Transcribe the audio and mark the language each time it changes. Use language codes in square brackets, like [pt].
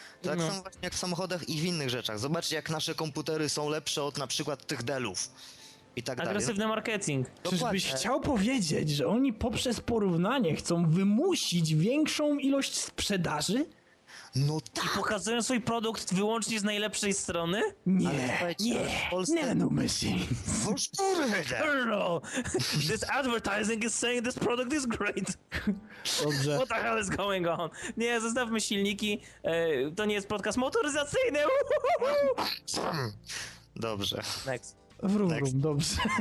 [pl] Tak samo właśnie jak w samochodach i w innych rzeczach. Zobaczcie jak nasze komputery są lepsze od na przykład tych Dellów. I tak agresywny dalej. Marketing. Czyżbyś chciał powiedzieć, że oni poprzez porównanie chcą wymusić większą ilość sprzedaży? No tak. I pokazują swój produkt wyłącznie z najlepszej strony? Nie, nie, nie, no myślę. No szczerze. [en] Hello, this advertising is saying this product is great. [pl] Dobrze. [en] What the hell is going on? [pl] Nie, zostawmy silniki, to nie jest podcast motoryzacyjny. Dobrze. [en] Next. [pl] Wrum, dobrze.